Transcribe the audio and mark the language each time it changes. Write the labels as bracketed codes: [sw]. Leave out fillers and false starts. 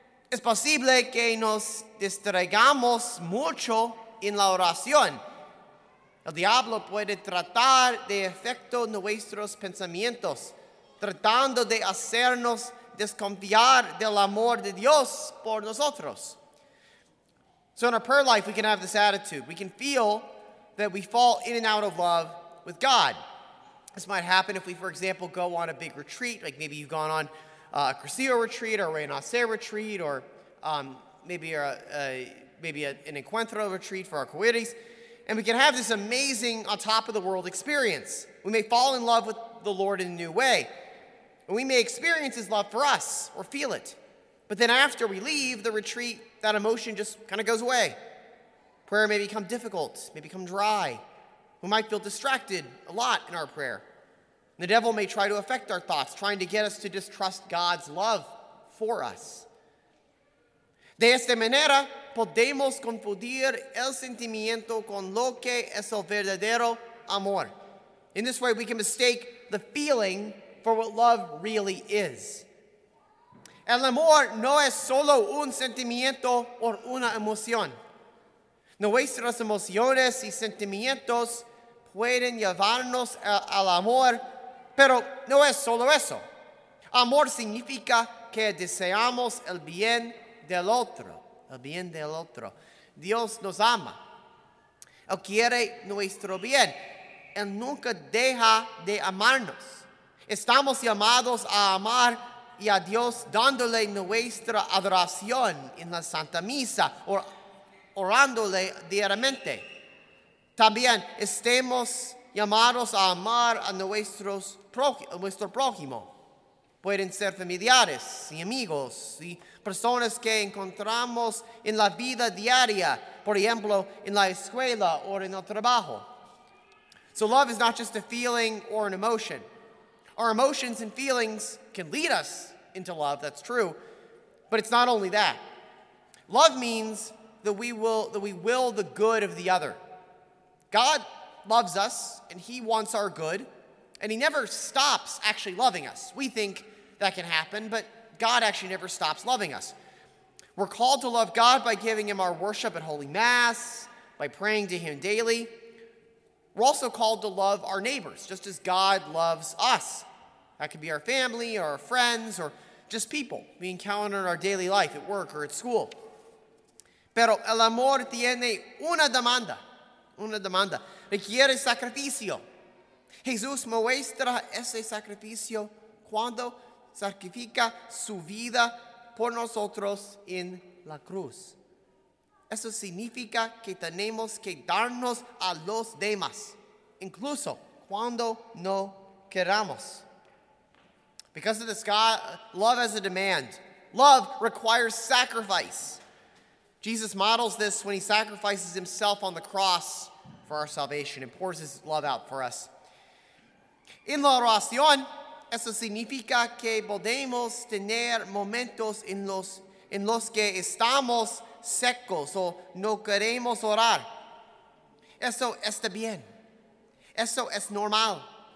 [es] Es posible que nos distraigamos mucho en la oración. El diablo puede tratar de afectar nuestros pensamientos, tratando de hacernos desconfiar del amor de Dios por nosotros. [en] So in our prayer life, we can have this attitude. We can feel that we fall in and out of love with God. This might happen if we, for example, go on a big retreat, like maybe you've gone on a Crucio retreat or a Renacer retreat, or maybe a maybe an encuentro retreat for our queries, and we can have this amazing on top of the world experience. We may fall in love with the Lord in a new way, and we may experience his love for us or feel it. But then after we leave the retreat, that emotion just kind of goes away. Prayer may become difficult, may become dry. We might feel distracted a lot in our prayer. The devil may try to affect our thoughts, trying to get us to distrust God's love for us. [es] De esta manera, podemos confundir el sentimiento con lo que es el verdadero amor. [en] In this way, we can mistake the feeling for what love really is. [es] El amor no es solo un sentimiento o una emoción. Nuestras emociones y sentimientos pueden llevarnos al amor, pero no es solo eso. Amor significa que deseamos el bien del otro. El bien del otro. Dios nos ama. Él quiere nuestro bien. Él nunca deja de amarnos. Estamos llamados a amar y a Dios dándole nuestra adoración en la Santa Misa o orándole diariamente. También estemos llamados a amar a nuestro prójimo. Pueden ser familiares y amigos y personas que encontramos en la vida diaria, por ejemplo, en la escuela o en el trabajo. [en] So love is not just a feeling or an emotion. Our emotions and feelings can lead us into love, that's true. But it's not only that. Love means that we will the good of the other. God loves us and he wants our good, and he never stops actually loving us. We think that can happen, but God actually never stops loving us. We're called to love God by giving him our worship at Holy Mass, by praying to him daily. We're also called to love our neighbors, just as God loves us. That could be our family or our friends or just people we encounter in our daily life at work or at school. [es] Pero el amor tiene una demanda, requiere sacrificio. Jesús muestra ese sacrificio cuando sacrifica su vida por nosotros en la cruz. Eso significa que tenemos que darnos a los demás, incluso cuando no queramos. [en] Because of this, God, love has a demand. Love requires sacrifice. Jesus models this when he sacrifices himself on the cross for our salvation and pours his love out for us. [es] En la oración, eso significa que podemos tener momentos en los que estamos secos o no queremos orar. Eso está bien. Eso es normal.